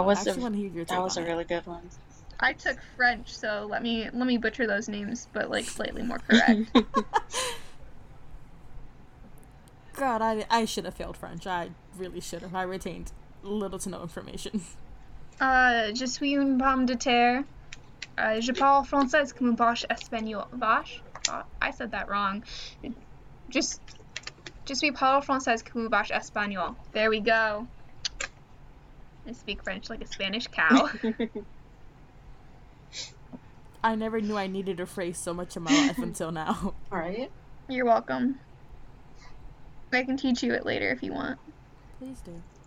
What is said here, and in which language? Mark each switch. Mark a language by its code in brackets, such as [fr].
[en] Oh, I actually want to hear your that take was on a it. really good one. I took French, so let me butcher those names, but like slightly more correct. God, I should have failed French. I really should have. I retained little to no information. [fr] Je suis une pomme de terre. Je parle français comme vache espagnole. Vache? [en] Oh, I said that wrong. Just [fr] suis parle français comme vache espagnole. [en] There we go. I speak French like a Spanish cow. I never knew I needed a phrase so much in my life until now. Right? You're welcome. I can teach you it later if you want. Please do.